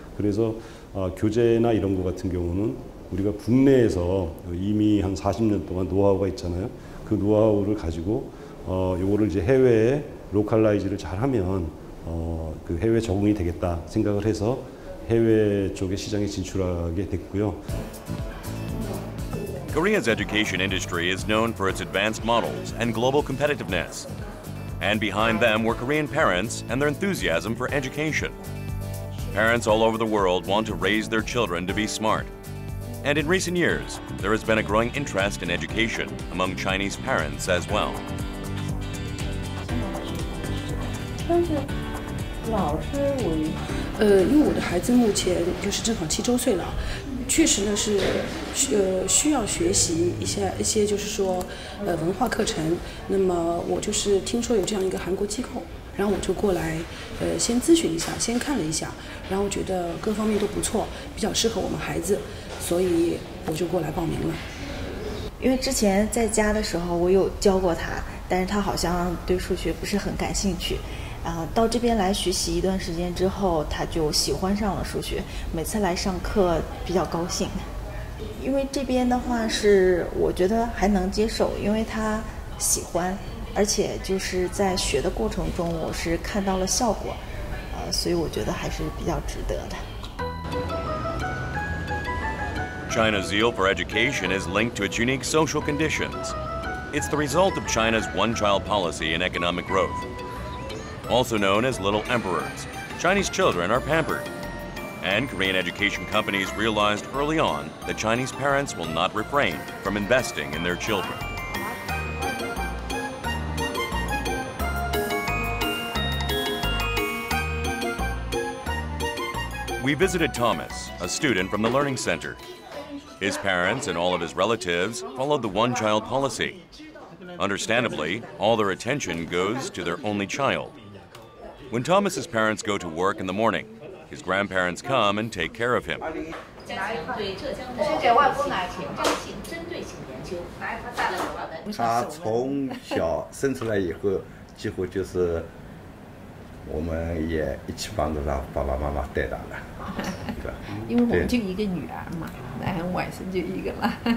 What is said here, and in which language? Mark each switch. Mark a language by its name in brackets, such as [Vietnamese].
[Korean] 그래서 교재나 이런 것 같은 경우는 우리가 국내에서 이미 한 40년 동안 노하우가 있잖아요. 그 노하우를 가지고 요거를 이제 해외에 로컬라이즈를 잘 하면 그 해외 적응이 되겠다 생각을 해서 해외 쪽에 시장에 진출하게 됐고요. [English] Korea's education industry is known for its advanced models and global competitiveness. And behind them were Korean parents and their enthusiasm for education. Parents all over the world want to raise their children to be smart. And in recent years, there has been a growing interest in education among Chinese parents as well. [Chinese] 确实呢是需要学习一些文化课程。那么我就是听说有这样一个韩国机构，然后我就过来先咨询一下，先看了一下，然后觉得各方面都不错，比较适合我们孩子，所以我就过来报名了。因为之前在家的时候我有教过他，但是他好像对数学不是很感兴趣，到这边来学习一段时间之后他就喜欢上了数学，每次来上课比较高兴。因为这边的话是我觉得还能接受，因为他喜欢，而且就是在学的过程中我是看到了效果，所以我觉得还是比较值得的。 [English] China's zeal for education is linked to its unique social conditions. It's the result of China's one-child policy and economic growth. Also known as little emperors, Chinese children are pampered. And Korean education companies realized early on that Chinese parents will not refrain from investing in their children. We visited Thomas, a student from the Learning Center. His parents and all of his relatives followed the one-child policy. Understandably, all their attention goes to their only child. When Thomas's parents go to work in the morning,His grandparents come and take care of him. [Chinese] He 从小生出来以后，几乎就是我们也一起帮着他爸爸妈妈带大的，因为我们就一个女儿嘛，男外甥就一个了。